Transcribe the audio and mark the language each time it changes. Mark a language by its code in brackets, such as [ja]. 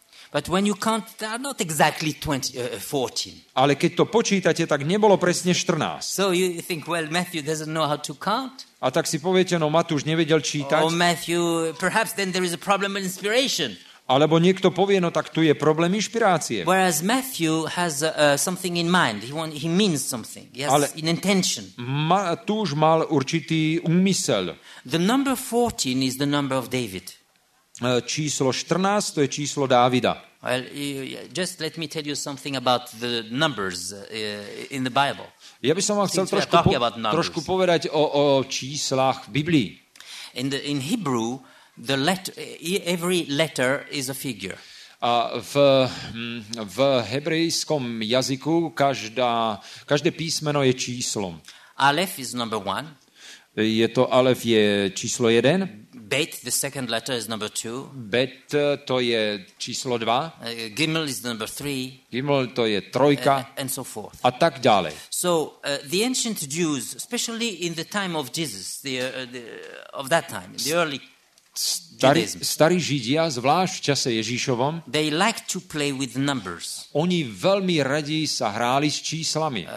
[en] But when you count, they are not exactly 14. [sk] Ale keď to počítate, tak nebolo presne 14. [en] So you think, well, Matthew doesn't know how to count. [sk] A tak si poviete, no Matúš nevedel čítať. [en] Oh, Matthew, perhaps then there is a problem with inspiration. [sk] Alebo niekto povie, no tak tu je problém inšpirácie. [en] Whereas Matthew has something in mind. He means something. Yes, [sk] ale [en] in intention. [sk] Matúš mal určitý úmysel. [en] The number 14 is the number of David. [sk] Číslo 14, to je číslo Dávida. [en] Well, just let me tell you something about the numbers in the Bible. [sk] Ja by som vám chcel trošku povedať o číslach v Biblii. [en] In Hebrew, every letter is a figure. [sk] A v hebrejskom jazyku každé písmeno je číslom. [en] Aleph is number one. [sk] Je to Aleph je číslo jeden. [en] Bet, the second letter is number 2. [sk] Bet to je číslo 2. [en] Gimel is number 3. [sk] Gimel to je trojka. [en] And so forth. [sk] A tak dále. [en] So the ancient Jews, especially in the time of Jesus, the early [sk] Starí Židia, zvlášť v čase Ježíšovom, [en] they like to play with numbers. [sk] Oni velmi radí sa hráli s číslami.